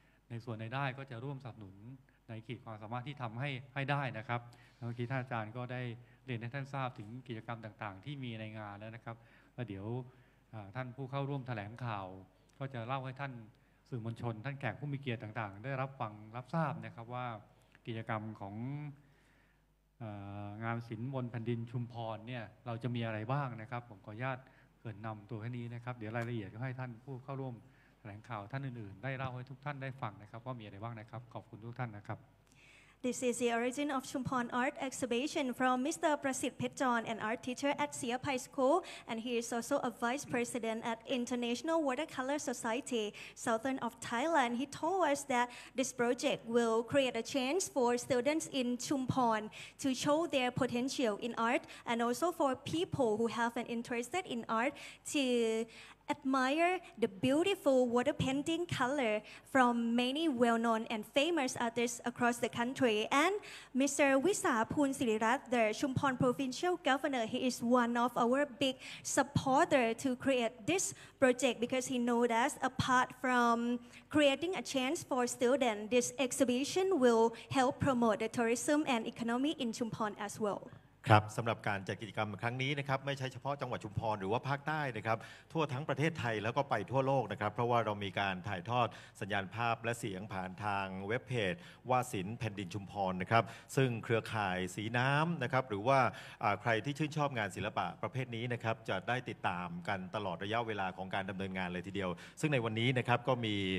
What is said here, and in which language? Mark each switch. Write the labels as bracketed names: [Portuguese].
[Thai] ในส่วนใดได้ก็จะร่วมสนับสนุนในขีดความสามารถที่ทำให้ได้นะครับเมื่อกี้ท่านอาจารย์ก็ได้เรียนให้ท่านทราบถึงกิจกรรมต่างๆที่มีในงานแล้วนะครับแล้วเดี๋ยวท่านผู้เข้าร่วมแถลงข่าวก็จะเล่าให้ท่านสื่อมวลชนท่านแขกผู้มีเกียรติต่างๆได้รับฟังรับทราบนะครับว่ากิจกรรมของ งานศิลป์บนแผ่นดินชุมพรเนี่ยเราจะมีอะไรบ้างนะครับผมขออนุญาตเกริ่นนำตัวแค่นี้นะครับเดี๋ยวรายละเอียดก็ให้ท่านผู้เข้าร่วมแถลงข่าวท่านอื่นๆได้เล่าให้ทุกท่านได้ฟังนะครับว่ามีอะไรบ้างนะครับขอบคุณทุกท่านนะครับ [English] This is the origin of Chumphon art exhibition from Mr. Prasit Petjon, an art teacher at Siapai School, and he is also a vice president at International Watercolor Society, southern of Thailand. He told us that this project will create a chance for students in Chumphon to show their potential in art, and also for people who have an interest in art to admire the beautiful water painting color from many well-known and famous artists across the country. And Mr. Wisa Phun Sirirat, the Chumphon Provincial Governor, he is one of our big supporters to create this project because he knows that apart from creating a chance for students, this exhibition will help promote the tourism and economy in Chumphon as well. [Thai] ครับสำหรับการจัดกิจกรรมครั้งนี้นะครับไม่ใช่เฉพาะจังหวัดชุมพรหรือว่าภาคใต้นะครับทั่วทั้งประเทศไทยแล้วก็ไปทั่วโลกนะครับเพราะว่าเรามีการถ่ายทอดสัญญาณภาพและเสียงผ่านทางเว็บเพจวาสินแผ่นดินชุมพรนะครับซึ่งเครือข่ายสีน้ำนะครับหรือว่าใครที่ชื่นชอบงานศิลปะประเภทนี้นะครับจะได้ติดตามกันตลอดระยะเวลาของการดำเนินงานเลยทีเดียวซึ่งในวันนี้นะครับก็มี